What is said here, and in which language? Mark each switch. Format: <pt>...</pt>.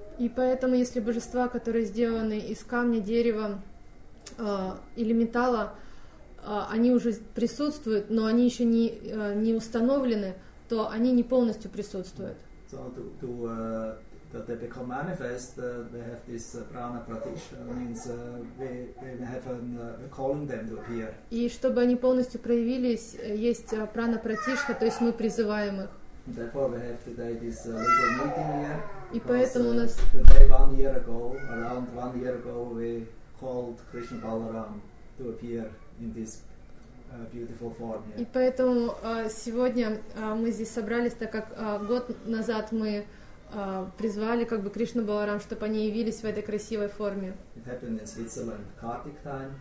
<ru>И поэтому, если божества, которые сделаны из камня, дерева или металла, они уже присутствуют, но они еще не установлены, то они не полностью присутствуют.</ru> <en>So that they become manifest, we have this prana pratishtha, means we have a calling them to appear.</en> <ru>И чтобы они полностью проявились, есть прана пратишха, то есть мы призываем их.</ru> <en>Therefore, we have today this little meeting here.</en> <ru>И поэтому у нас</ru> <en>today, around one year ago, we called Krishna Balaram to appear in this beautiful form, yeah.</en> <ru>И поэтому сегодня мы здесь собрались, так как год назад мы призвали как бы Кришну Баларам, чтобы они явились в этой красивой форме.</ru> <en>It happened in Switzerland, Kartik time.</en>